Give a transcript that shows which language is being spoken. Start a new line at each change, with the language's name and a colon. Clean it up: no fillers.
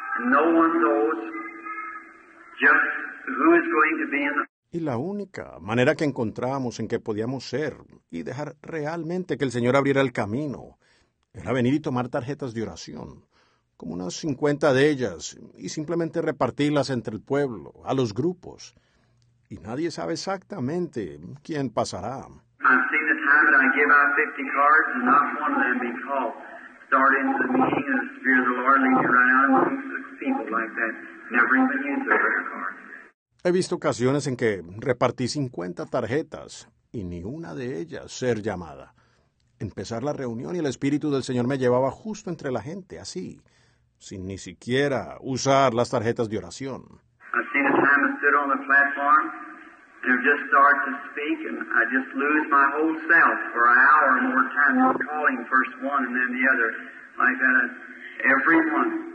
English: No one knows just who is going to be in the...
Spanish: Y la única manera que encontramos en que podíamos ser y dejar realmente que el Señor abriera el camino era venir y tomar tarjetas de oración, como unas 50 de ellas, y simplemente repartirlas entre el pueblo, a los grupos. Y nadie sabe exactamente quién pasará.
English: I've seen the time time that I give out 50 cards and not one of them be called. Start into the meeting and the Spirit of the Lord leads you right out among the people like that. Never even use a prayer card.
Spanish: He visto ocasiones en que repartí 50 tarjetas y ni una de ellas ser llamada. Empezar la reunión y el Espíritu del Señor me llevaba justo entre la gente, así, sin ni siquiera usar las tarjetas de oración.
English: I've seen a time I stood on the platform and I've just started to speak and I just lose my whole self for an hour or more time calling first one and then the other, like that, everyone.